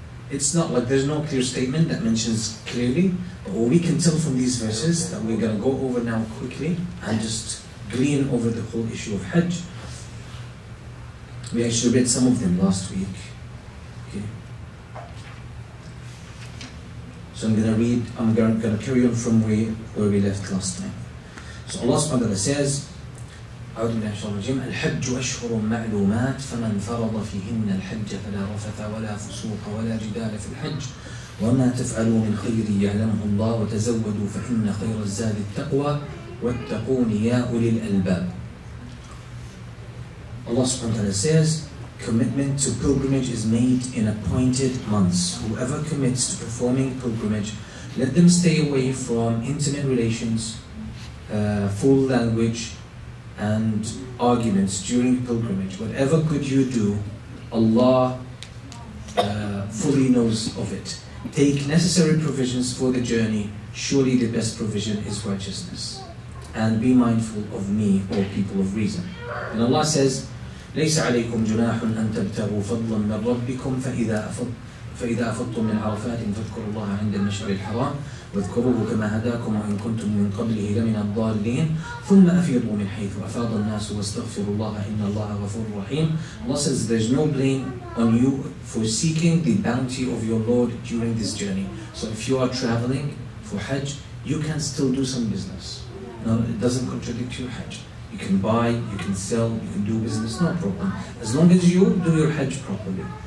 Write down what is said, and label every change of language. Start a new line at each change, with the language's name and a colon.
English: It's not like there's no clear statement that mentions clearly, but what we can tell from these verses that we're going to go over now quickly and just glean over the whole issue of Hajj. We actually read some of them last week. Okay. So I'm gonna carry on from where we left last time. So Allah subhanahu wa ta'ala says,
Arabic: أعوذ بالله من الشيطان الرجيم, الحج أشهر معلومات فمن فرض فيهن الحج فلا رفث ولا فسوق ولا جدال في الحج وما تفعلوا من خير يعلمه الله وتزودوا فإن خير الزاد التقوى واتقون يا أولي الألباب.
English: Allah subhanahu wa ta'ala says, commitment to pilgrimage is made in appointed months. Whoever commits to performing pilgrimage, let them stay away from intimate relations, foul language, and arguments during pilgrimage. Whatever good you do, Allah fully knows of it. Take necessary provisions for the journey. Surely the best provision is righteousness. And be mindful of me, O people of reason. And Allah says,
Arabic: ليس عليكم جناح أن تبتغوا فضلا من ربكم فإذا أفضتم من عرفات فاذكروا الله عند المشعر الحرام واذكروه كما هداكم وإن كنتم من قبله لمن الضالين ثم أفيضوا من حيث أفاض الناس واستغفروا الله إن الله غفور رحيم.
English: Allah says, there's no blame on you for seeking the bounty of your Lord during this journey. So if you are traveling for Hajj, you can still do some business. Now, it doesn't contradict your Hajj. You can buy, you can sell, you can do business, no problem. As long as you do your Hajj properly.